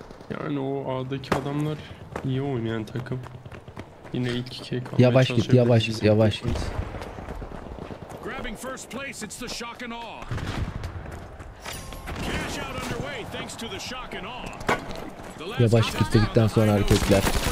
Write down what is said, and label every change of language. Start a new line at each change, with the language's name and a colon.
Turkish: Yani o A'daki adamlar iyi oynayan takım. Yine 2K kalmaya yavaş git, yavaş git, yavaş git.
English: Grabbing first place, it's the Shock and Awe. Cash out underway thanks to the Shock and Awe.
Turkish: Yavaş gittikten sonra hareketler.